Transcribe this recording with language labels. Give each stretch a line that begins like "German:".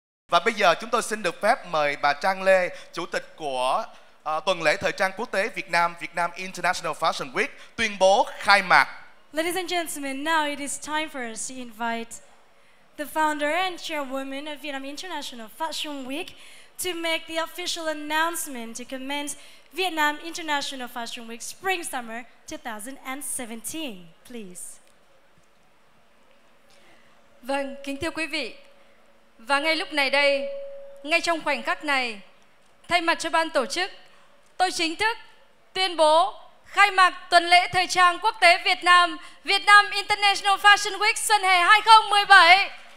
Vietnamese: Và bây giờ chúng tôi xin được phép mời bà Trang Lê, chủ tịch của tuần lễ thời trang quốc tế Việt Nam, Việt Nam International Fashion Week, tuyên bố khai mạc.
English: Ladies and gentlemen, now it is time for us to invite the founder and chairwoman of Vietnam International Fashion Week to make the official announcement to commence Vietnam International Fashion Week Spring Summer 2017, please.
Vietnamese: Vâng, kính thưa quý vị. Và ngay lúc này đây, ngay trong khoảnh khắc này, thay mặt cho ban tổ chức, tôi chính thức tuyên bố khai mạc tuần lễ thời trang quốc tế Việt Nam, Việt Nam International Fashion Week xuân hè 2017.